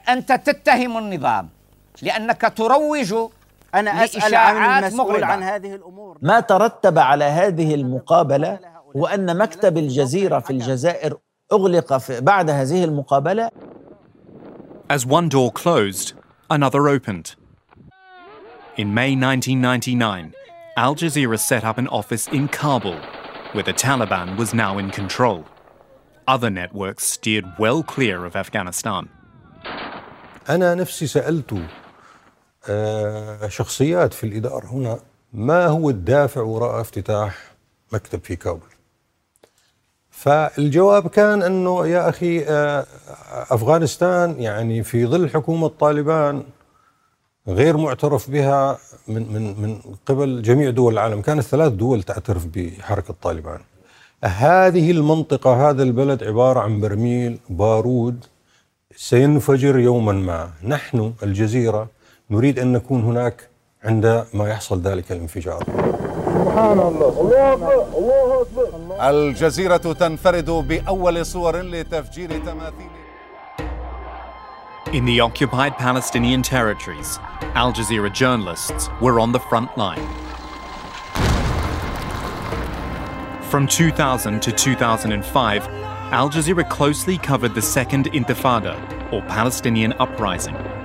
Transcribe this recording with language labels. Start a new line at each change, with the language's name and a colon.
Arabic: انت تتهم النظام لانك تروج أنا أسأل عن المسؤول عن هذه الأمور. ما ترتب على هذه المقابلة هو أن مكتب الجزيرة في الجزائر أغلق بعد هذه المقابلة.
English: As one door closed, another opened. In May 1999, Al Jazeera set up an office in Kabul, where the Taliban was now in control. Other networks steered well clear of Afghanistan.
Arabic: أنا نفسي سألته شخصيات في الإدارة هنا ما هو الدافع وراء افتتاح مكتب في كابل؟ فالجواب كان أنه يا أخي أفغانستان يعني في ظل حكومة طالبان غير معترف بها من من من قبل جميع دول العالم، كانت ثلاث دول تعترف بحركة طالبان. هذه المنطقة، هذا البلد عبارة عن برميل بارود سينفجر يوما ما. نحن الجزيرة نريد أن نكون هناك عند ما يحصل ذلك الانفجار. سبحان الله، الله أكبر. الجزيرة تنفرد بأول صور لتفجير تماثيل.
English: In the occupied Palestinian territories, Al Jazeera journalists were on the front line. From 2000 to 2005, Al Jazeera closely covered the Second Intifada, or Palestinian uprising.